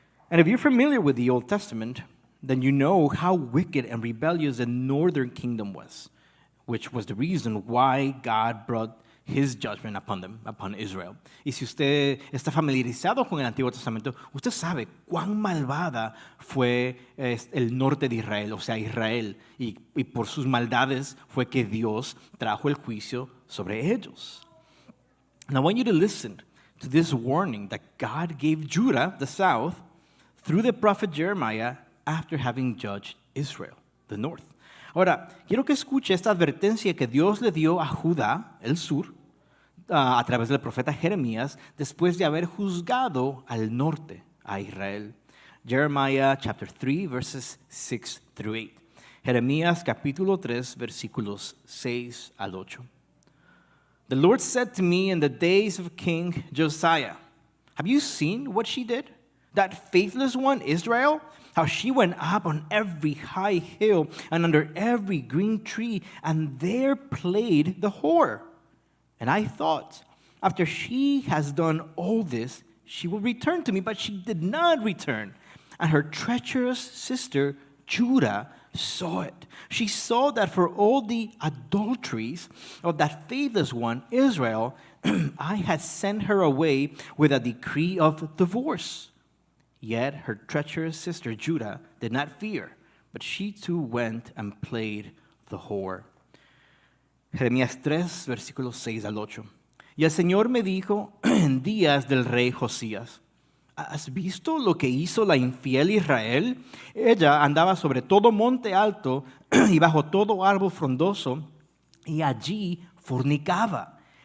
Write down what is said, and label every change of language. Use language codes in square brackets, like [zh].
[en] And if you're familiar with the Old Testament, then you know how wicked and rebellious the northern kingdom was, which was the reason why God brought his judgment upon them, upon Israel. [es] Y si usted está familiarizado con el Antiguo Testamento, usted sabe cuán malvada fue el norte de Israel, o sea, Israel, y por sus maldades fue que Dios trajo el juicio sobre ellos. [en] And I want you to listen to this warning that God gave Judah, the south, through the prophet Jeremiah after having judged Israel, the north. [es] Ahora, quiero que escuche esta advertencia que Dios le dio a Judá, el sur, a través del profeta Jeremías, después de haber juzgado al norte, a Israel. [en] Jeremiah chapter 3, verses 6 through 8. [es] Jeremías capítulo 3, versículos 6 al 8. [en] The Lord said to me in the days of King Josiah, have you seen what she did? That faithless one, Israel, how she went up on every high hill and under every green tree and there played the whore. And I thought, after she has done all this, she will return to me, but she did not return. And her treacherous sister, Judah, saw it. She saw that for all the adulteries of that faithless one, Israel, I had sent her away with a decree of divorce. Yet her treacherous sister, Judah, did not fear, but she too went and played the whore. [es] Jeremías 3, versículos 6 al 8. Y el Señor me dijo en días del rey Josías, ¿has visto lo que hizo la infiel Israel? Ella andaba sobre todo monte alto y bajo todo árbol frondoso y allí fornicaba.